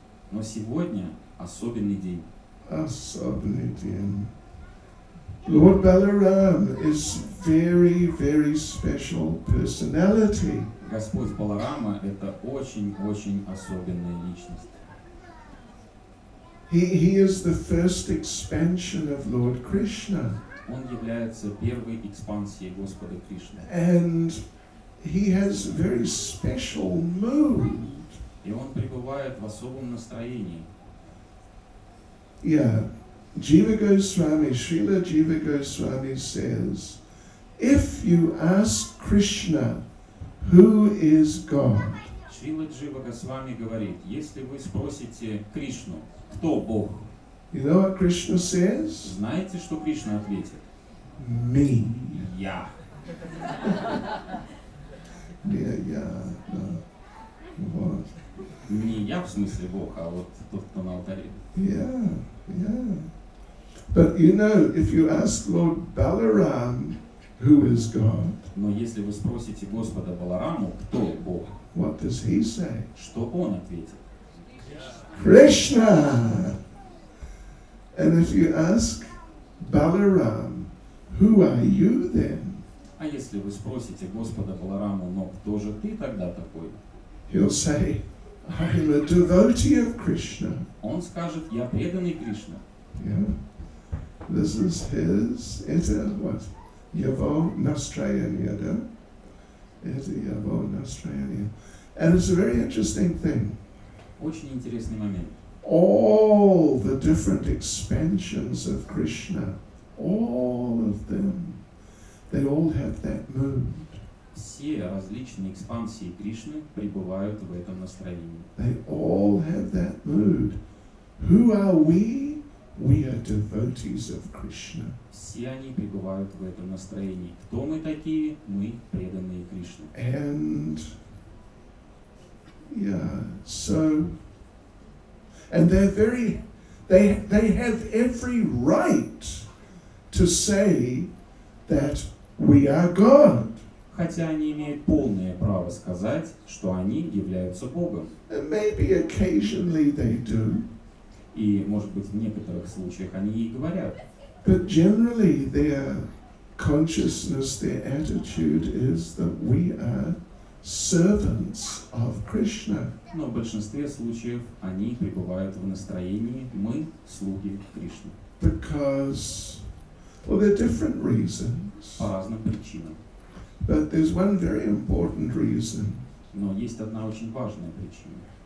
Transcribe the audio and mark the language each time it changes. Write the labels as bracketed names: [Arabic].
[Russian] Но сегодня особенный день. Особенный день. [English] Lord Balaram is very, very special personality. [Russian] Господь Баларама – это очень-очень особенная личность. [English] He is the first expansion of Lord Krishna. [Russian] Он является первой экспансией Господа Кришны. [English] And he has very special mood. [Russian] И он пребывает в особом настроении. [English] Yeah. Jiva Goswami, Srila Jiva Goswami says, if you ask Krishna, who is God? [Russian] Шрила Джива Госвами говорит, если вы спросите Кришну, кто Бог? [English] You know what Krishna says? [Russian] Знаете, что Кришна ответит? [English] Me. [Russian] Я. Не я, да. Вот. Не я в смысле Бог, а вот тот, кто на алтаре. [English] Yeah. But you know, if you ask Lord Balaram, who is God? [Russian] Но если вы спросите Господа Балараму, кто Бог? [English] What does he say? [Russian] Что он ответит? [English] Krishna. And if you ask Balaram, who are you then? [Russian] А если вы спросите Господа Балараму, но кто же ты тогда такой? [English] He'll say, I'm a devotee of Krishna. [Russian] Он скажет, я преданный Кришне. [English] Yeah. This is his. [Russian] Yavo Nastrayanya, да? Это Yavo Nastrayanya. [English] And it's a very interesting thing. [Russian] Очень интересный момент. [English] All the different expansions of Krishna, all of them, they all have that mood. [Russian] все различные экспансии Кришны пребывают в этом настроении. [English] They all have that mood. Who are we? We are devotees of Krishna. [Russian] Все они пребывают в этом настроении. Кто мы такие? Мы преданные Кришне. [English] And yeah, so and they're very they have every right to say that we are God. [Russian] Хотя они имеют полное право сказать, что они являются Богом. [English] And maybe occasionally they do. [Russian] И, может быть, в некоторых случаях они и говорят. [English] But generally their consciousness, their attitude is that we are servants of Krishna. [Russian] Но в большинстве случаев они пребывают в настроении «мы слуги Кришны». [English] Because, well, there are different reasons. [Russian] По разным причинам. [English] But there's one very important reason. [Russian] Но есть одна очень важная причина.